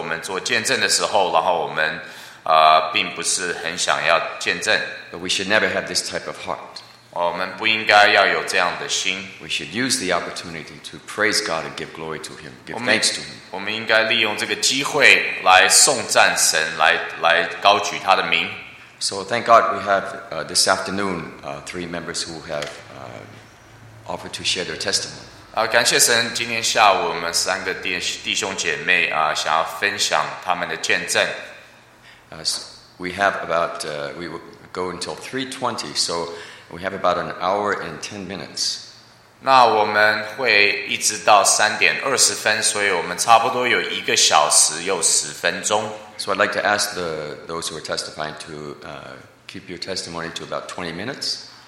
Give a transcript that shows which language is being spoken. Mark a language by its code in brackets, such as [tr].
[zh] 有时候我们每天会得到神的祝福，但是人家请求我们做见证的时候，然后我们 [en] But we should never have this type of heart. [zh] 我们不应该要有这样的心。 [en] We should use the opportunity to praise God and give glory to Him, give thanks to Him. [zh] 我们应该利用这个机会来颂赞神，来高举他的名。 [en] So thank God we have this afternoon three members who have offered to share their testimony. [zh] 感谢神，今天下午我们三个弟兄姐妹想要分享他们的见证。 [en] We have about, we will go until 3:20, so we have about an hour and 10 minutes. [zh] 那我们会一直到3:20, 所以我们差不多有1个小时又10分钟。 [en] So I'd like to ask those who are testifying to keep your testimony to about 20 minutes.